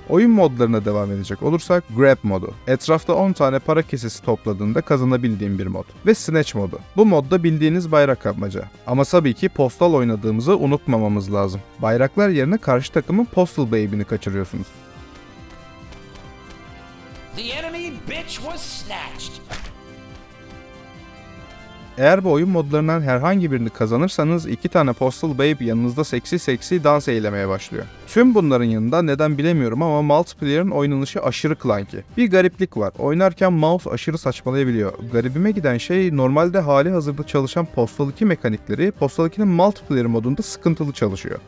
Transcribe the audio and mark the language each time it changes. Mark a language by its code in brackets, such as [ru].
[tr] Oyun modlarına devam edecek olursak Grab modu. Etrafta 10 tane para kesesi topladığında kazanabildiğim bir mod. Ve Snatch modu. Bu modda bildiğiniz bayrak kapmaca. Ama tabii ki Postal oynadığımızı unutmamamız lazım. Bayraklar yerine karşı takımın Postal Babe'ini kaçırıyorsunuz. [en] The enemy bitch was snatched. [tr] Eğer bu oyun modlarından herhangi birini kazanırsanız iki tane Postal Babe yanınızda seksi seksi dans eylemeye başlıyor. Tüm bunların yanında neden bilemiyorum ama multiplayer'ın oynanışı aşırı clunky. Bir gariplik var. Oynarken mouse aşırı saçmalayabiliyor. Garibime giden şey normalde hali hazırda çalışan Postal 2 mekanikleri Postal 2'nin multiplayer modunda sıkıntılı çalışıyor.